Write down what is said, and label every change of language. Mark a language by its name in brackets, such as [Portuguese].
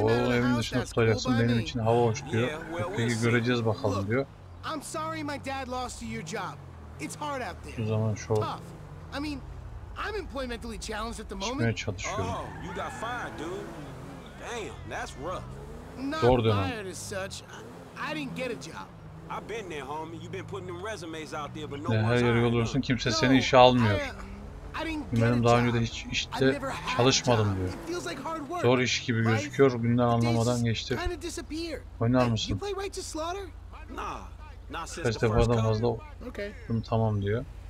[Turkish] O evin dışında tutacaksın, benim için hava hoş diyor. Peki göreceğiz bakalım diyor. [English] I'm sorry my dad lost to your job. It's hard out there. [Turkish] O zaman şu. [English] I mean, I'm employmentally challenged at the moment. Oh, you got fired, dude. Damn, that's rough. [Turkish] Zor dönem. [English] I didn't get a job. I've been there, homie. You've been putting them resumes out there, but no one. [Turkish] Her yere yolluyorsun, kimse seni işe almıyor. Benim daha önce de hiç işte çalışmadım diyor. Zor iş gibi gözüküyor, günler anlamadan geçti. Oynar mısın? Kaç defa da fazla. Okay. Tamam diyor.